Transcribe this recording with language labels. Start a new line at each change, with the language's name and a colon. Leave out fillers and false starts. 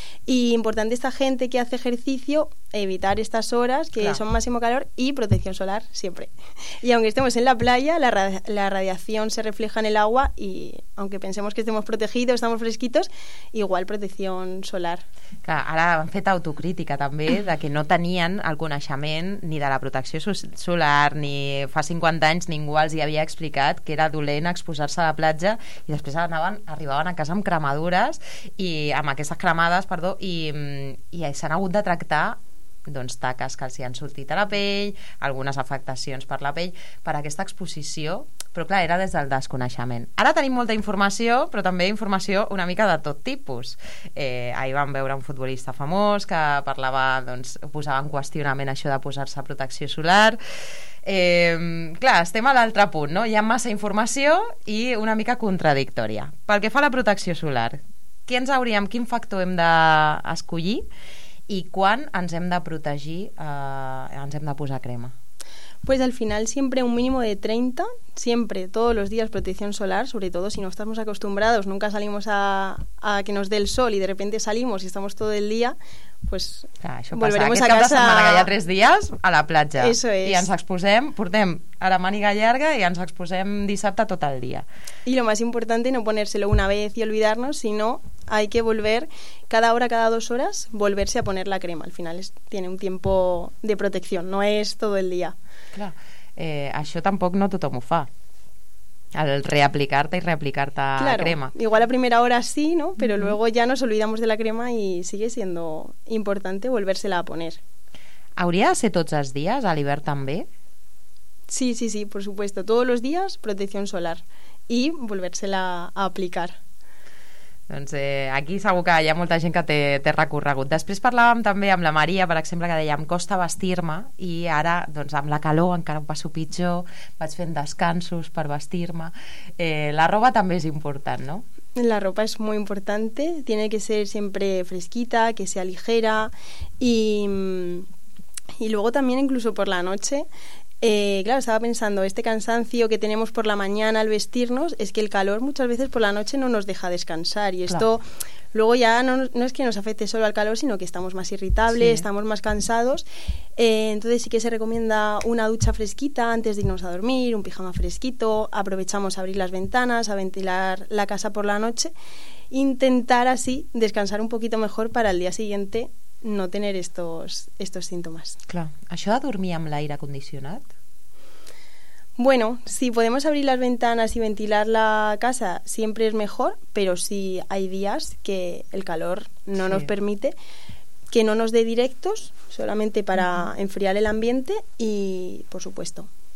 Spanish: Y importante esta gente que hace ejercicio, evitar estas horas, que son máximo calor, y protección solar siempre. Y aunque estemos en la playa, la radiación se refleja en el agua, y aunque pensemos que estemos protegidos, estamos fresquitos, igual protección solar.
Catalan: Claro, ahora han fet autocrítica també de que no tenien el coneixement ni de la protecció solar, ni fa 50 anys ningú els hi havia explicat que era dolent exposar-se a la platja, i després arribaven a casa amb cremadures i amb aquestes cremades, perdó, i s'han hagut de tractar doncs taques que els hi han sortit a la pell, algunes afectacions per la pell per aquesta exposició, però clar, era des del desconeixement. Ara tenim molta informació, però també informació una mica de tot tipus. Ahir vam veure un futbolista famós que parlava, doncs, posava en qüestionament això de posar-se protecció solar. Clar, estem a l'altre punt, no? Hi ha massa informació i una mica contradictòria. Pel que fa a la protecció solar, què ens hauríem, quin factor hem d'escollir i quan ens hem de protegir, ens hem de posar crema?
Spanish: Pues al final siempre un mínimo de 30, siempre, todos los días protección solar, sobre todo si no estamos acostumbrados, nunca salimos a que nos dé el sol y de repente salimos y estamos todo el día, pues claro, volveremos
Catalan: aquest
Spanish: a casa...
Catalan: Aquest cap de setmana que hi ha 3 dies a la platja.
Spanish: Eso es.
Catalan: I ens exposem, portem a la màniga llarga i ens exposem dissabte tot el dia.
Spanish: Y lo más importante no ponérselo una vez y olvidarnos, sino hay que volver cada hora, cada 2 horas, volverse a poner la crema. Al final tiene un tiempo de protección, no es todo el día.
Catalan: Clar, això tampoc no tothom ho fa, el reaplicar-te i reaplicar-te la crema.
Spanish: Igual a primera hora sí, ¿no? Pero luego ya nos olvidamos de la crema y sigue siendo importante volvérsela a poner.
Catalan: ¿Hauria de ser tots els dies, a l'hivern també?
Spanish: Sí, por supuesto, todos los días protección solar y volvérsela a aplicar.
Catalan: Doncs aquí segur que hi ha molta gent que té recorregut. Després parlàvem també amb la Maria, per exemple, que deia, em costa vestir-me, i ara, doncs, amb la calor encara ho passo pitjor, vaig fent descansos per vestir-me. La roba també és important, no?
Spanish: La ropa es muy importante, tiene que ser siempre fresquita, que sea ligera, y luego también incluso por la noche... claro, estaba pensando, este cansancio que tenemos por la mañana al vestirnos es que el calor muchas veces por la noche no nos deja descansar y esto luego ya no es que nos afecte solo al calor, sino que estamos más irritables, sí, estamos más cansados. Entonces sí que se recomienda una ducha fresquita antes de irnos a dormir, un pijama fresquito, aprovechamos a abrir las ventanas, a ventilar la casa por la noche, intentar así descansar un poquito mejor para el día siguiente no tener estos síntomas. Claro.
Catalan: ¿Això de dormir amb l'aire condicionat?
Spanish: Bueno, si podemos abrir las ventanas y ventilar la casa, siempre es mejor, pero si hay días que el calor no, sí, nos permite, que no nos dé directos, solamente para enfriar el ambiente y, por supuesto.